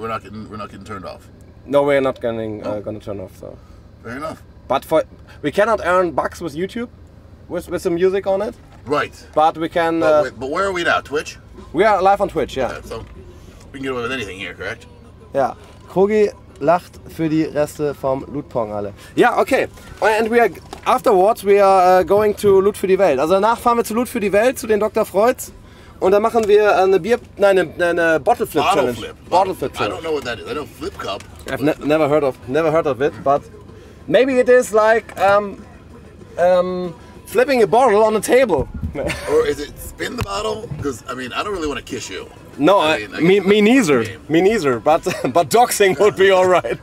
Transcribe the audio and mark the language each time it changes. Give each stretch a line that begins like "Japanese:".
English: We're not getting turned off. No, we're not getting gonna turn off. So. Fair enough. But for we cannot earn bucks with YouTube, with some music on it. Right. But we can. But where are we now? Twitch. We are live on Twitch. Yeah. Okay, so. We can get away with anything here, correct? Yeah.
German: Krogi lacht für die Reste vom Lootpong alle.
English: Yeah, okay. And we are afterwards we are going to Loot für die Welt.
German: Also danach fahren wir zu Loot für die Welt, zu den Dr. Freuds. Und dann machen wir eine Bottle Flip Challenge.
English: Bottle Flip Challenge. I don't know what that is. I know Flip Cup. I've never heard of it, but maybe it is like flipping a bottle on a table. Or is it spin the bottle? Because I mean, I don't really want to kiss you. No, I mean, me neither. Me neither. But doxing would be all right.